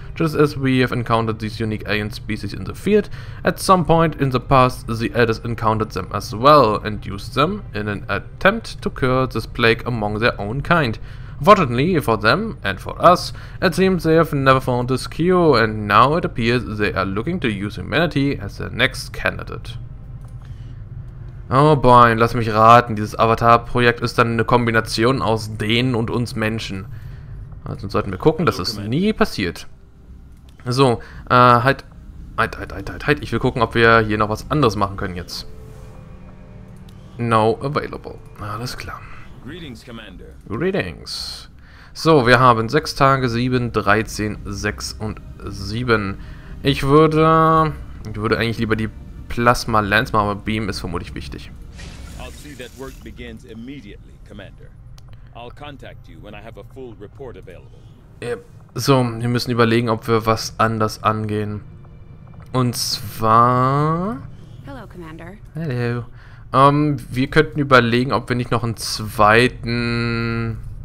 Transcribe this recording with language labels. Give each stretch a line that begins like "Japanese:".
English: Just as we have encountered these unique alien species in the field, at some point in the past the Elders encountered them as well and used them in an attempt to cure this plague among their own kind. Fortunately for them and for us, it seems they have never found this cure, and now it appears they are looking to use humanity as their next candidate.
German: Oh boy, lass mich raten, dieses Avatar-Projekt ist dann eine Kombination aus denen und uns Menschen. Also sollten wir gucken, dass es nie passiert. So, halt, ich will gucken, ob wir hier noch was anderes machen können jetzt.
English: No available.
German: Alles klar.
English: Greetings, Commander.
German: Greetings. So, wir haben 6 Tage, 7, 13, 6 und 7. Ich würde eigentlich lieber die Plasma Lance machen, aber Beam ist vermutlich wichtig.
English: I'll see that work begins immediately, Commander. I'll contact you when I have a full report available.
German: So, wir müssen überlegen, ob wir was anders angehen. Und zwar...
English: Hello, Commander. Hello.
German: Wir könnten überlegen, ob wir nicht noch einen zweiten...